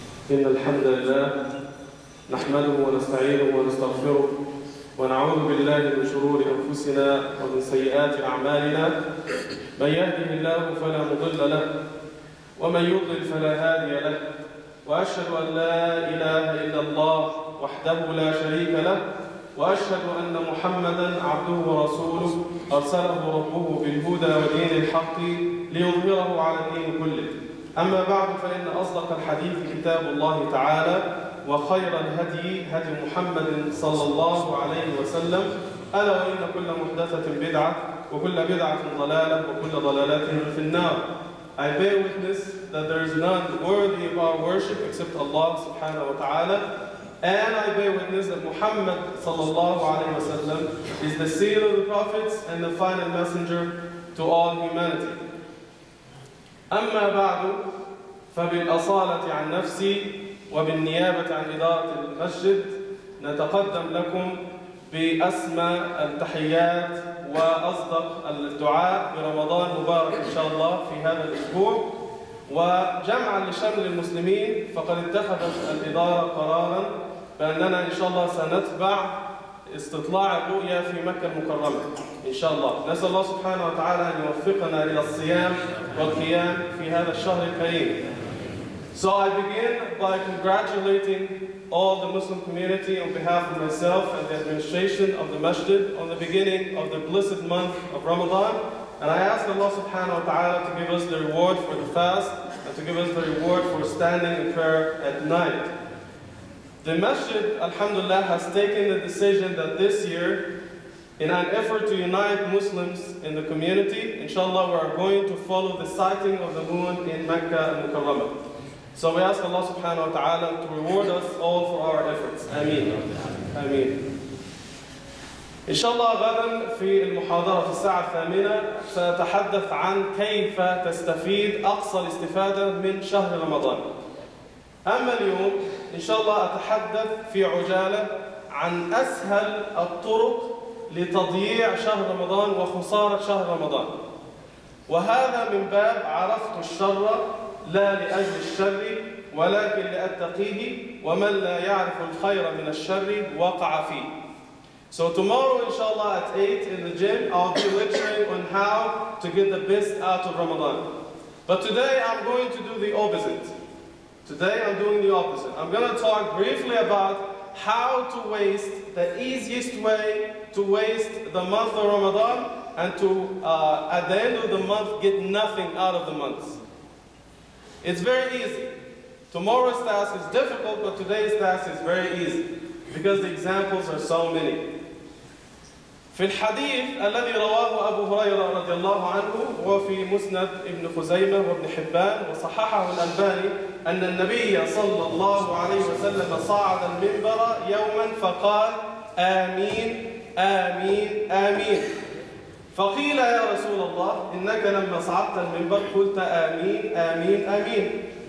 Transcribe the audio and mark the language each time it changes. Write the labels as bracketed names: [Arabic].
[Arabic] إن الحمد لله نحمده ونستعينه ونستغفره ونعوذ بالله من شرور أنفسنا ومن سيئات أعمالنا، من يهده الله فلا مضل له ومن يضلل فلا هادي له، وأشهد أن لا إله إلا الله وحده لا شريك له، وأشهد أن محمدًا عبده ورسوله أرسله ربه بالهدى ودين الحق ليظهره على الدين كله. أما بعد، فإن أصدق الحديث كتاب الله تعالى، وخير الهدي هدي محمد صلى الله عليه وسلم، ألا وإن كل محدثة بدعة وكل بدعة ضلالة وكل ضلالات في النار. [English] I bear witness that there is none worthy of our worship except Allah [Arabic] سبحانه وتعالى. [English] And I bear witness that Muhammad sallallahu alayhi wa sallam is the seal of the prophets and the final messenger to all humanity. [Arabic] أما بعد فبالأصالة عن نفسي وبالنيابة عن إدارة المسجد نتقدم لكم بأسمى التحيات وأصدق الدعاء برمضان مبارك إن شاء الله في هذا الأسبوع. وجمعا لشمل المسلمين، فقد اتخذت الإدارة قرارا بأننا إن شاء الله سنتبع استطلاع الرؤيا في مكة المكرمة إن شاء الله. نسأل الله سبحانه وتعالى أن يوفقنا إلى الصيام والقيام في هذا الشهر الكريم. [English] So I begin by congratulating all the Muslim community on behalf of myself and the administration of the masjid on the beginning of the blessed month of Ramadan. And I ask Allah subhanahu wa ta'ala to give us the reward for the fast and to give us the reward for standing in prayer at night. The masjid, alhamdulillah, has taken the decision that this year, in an effort to unite Muslims in the community, inshallah, we are going to follow the sighting of the moon in Mecca and Mukarramah. So we ask Allah subhanahu wa ta'ala to reward us all for our efforts. Ameen. Ameen. [Arabic] Inshallah, غدا في المحاضرة في الساعة الثامنة سأتحدث عن كيف تستفيد أقصى الاستفادة من شهر رمضان. أما اليوم إن شاء الله أتحدث في عجالة عن أسهل الطرق لتضييع شهر رمضان وخسارة شهر رمضان، وهذا من باب عرفت الشر لا لأجل الشر ولكن لأتقيه، ومن لا يعرف الخير من الشر وقع فيه. [English] So tomorrow inshallah at 8 in the gym I'll be lecturing on how to get the best out of Ramadan. But today I'm going to do the opposite. Today I'm doing the opposite. I'm going to talk briefly about how to waste, the easiest way to waste the month of Ramadan and to at the end of the month get nothing out of the month. It's very easy. Tomorrow's task is difficult, but today's task is very easy because the examples are so many. [Arabic] في الحديث الذي رواه أبو هريرة رضي الله عنه وفي مسند ابن خزيمة وابن حبان وصححه الألباني أن النبي صلى الله عليه وسلم صعد المنبر يوما فقال آمين آمين آمين، فقيل يا رسول الله إنك لما صعدت المنبر قلت آمين آمين آمين؟